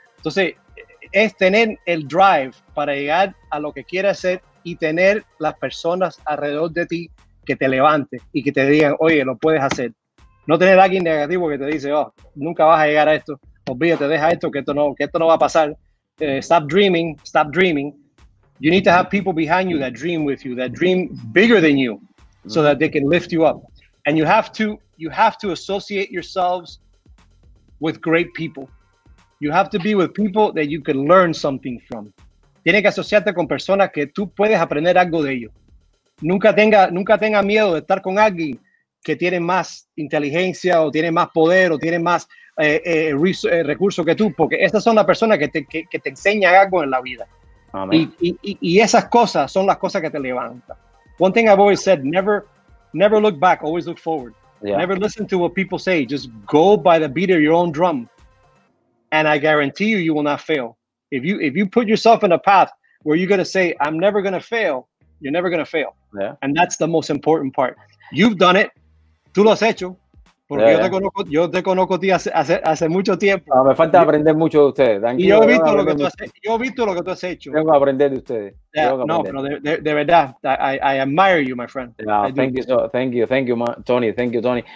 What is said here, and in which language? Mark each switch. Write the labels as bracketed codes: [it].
[es] Entonces, es tener el drive para llegar a lo que quieres hacer y tener las personas alrededor de ti que te levanten y que te digan, oye, lo puedes hacer. No tener a alguien negativo que te dice, oh, nunca vas a llegar a esto. Olvídate, deja esto, que esto no va a pasar. [en] Stop dreaming. You need to have people behind you that dream with you, that dream bigger than you, so that they can lift you up. And you have to associate yourselves with great people. You have to be with people that you can learn something from. [es] Tienes que asociarte con personas que tú puedes aprender algo de ellos. Nunca tenga miedo de estar con alguien que tiene más inteligencia o tiene más poder o tiene más recursos que tú, porque estas son las personas que te enseñan algo en la vida. Amén. Y esas cosas son las cosas que te levantan. [en] One thing I've always said, never look back, always look forward. Yeah. Never listen to what people say. Just go by the beat of your own drum. And I guarantee you, you will not fail. If you put yourself in a path where you're going to say, I'm never going to fail, you're never going to fail. Yeah. And that's the most important part. You've done it. [es] Tú lo has hecho. Porque yeah, yo te conozco a ti hace mucho tiempo. Ah, me falta aprender mucho de ustedes. Tranquilo, y yo he visto lo que tú has hecho. Tengo que aprender de ustedes. [en] Yeah, [es] no, pero de verdad, [en] I admire you, my friend. No, thank you, Tony.